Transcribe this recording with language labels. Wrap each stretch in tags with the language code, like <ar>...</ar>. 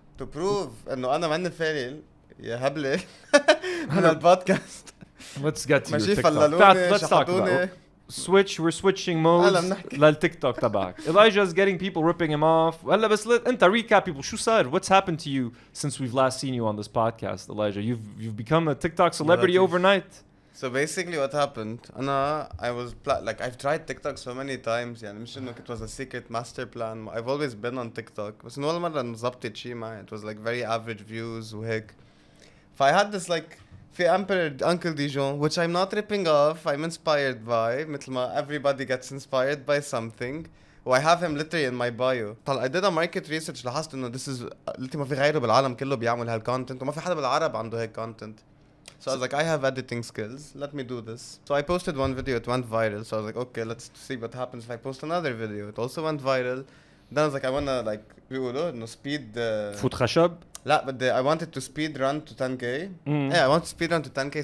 <en>To prove</en> <ar>انه انا ماني فايل يا هبله من البودكاست.</ar> <en>Let's get to your TikTok. Let's talk about it. Switch, we're switching modes</en> <ar>للتيك توك تبعك.</ar> <en>Elijah's getting people ripping him off.</en> <ar>هلا بس انت</ar> <en>recap people.</en> <ar>شو صار؟</ar> <en>What's happened to you since we've last seen you on this podcast, Elijah? You've become a TikTok celebrity overnight. So basically what happened, انا I was like I've tried TikTok so many times,</en> <ar>يعني مش انه</ar> <en>it was a secret master plan, I've always been on TikTok,</en> <ar>بس انه ولا مرة نزبطي شي معي,</ar> <en>it was like very average views وهيك. فI had this like, في Emperor Uncle Dijon, which I'm not ripping off, I'm inspired by,</en> <ar>مثل ما</ar> <en>everybody gets inspired by something, I have him literally in my bio.</en> <ar>طلع,</ar> <en>I did a market research,</en> <ar>لاحظت انه</ar> <en>this is, literally</en> <ar>ما في غيره بالعالم كله بيعمل هالcontent, وما في حدا بالعرب عنده هيك content.</ar> <en>So I was like, I have editing skills, let me do this. So I posted one video, it went viral. So I was like, okay, let's see what happens if I post another video. It also went viral. Then I was like, I wanna like, speed the... Food khashab? No, but I wanted to speed run to 10K. Mm. Yeah, I want to speed run to 10K.</en>